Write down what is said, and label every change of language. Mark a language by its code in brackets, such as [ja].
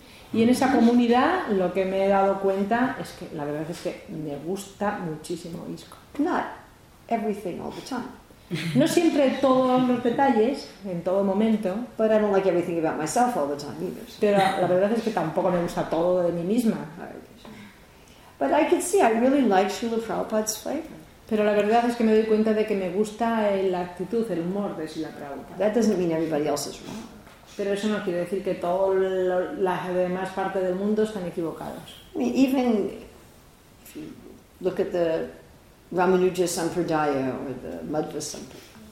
[es] Y en esa comunidad lo que me he dado cuenta es que la verdad es que me gusta muchísimo ISKCON. [en] Not everything all the time. [es] No siempre todos los detalles, en todo momento. [en] But I don't like everything about myself all the time either. [es] Pero la verdad es que tampoco me gusta todo de mí misma. [en] But I can see I really like Srila Prabhupada's flavor. [es] Pero la verdad es que me doy cuenta de que me gusta la actitud, el humor de Srila Prabhupada. [en] That doesn't mean everybody else is wrong. [es] Pero eso no quiere decir que toda la demás parte del mundo están equivocados. [en] I mean, even if you look at the Ramanuja Sampradaya or the Madhva Sampradaya.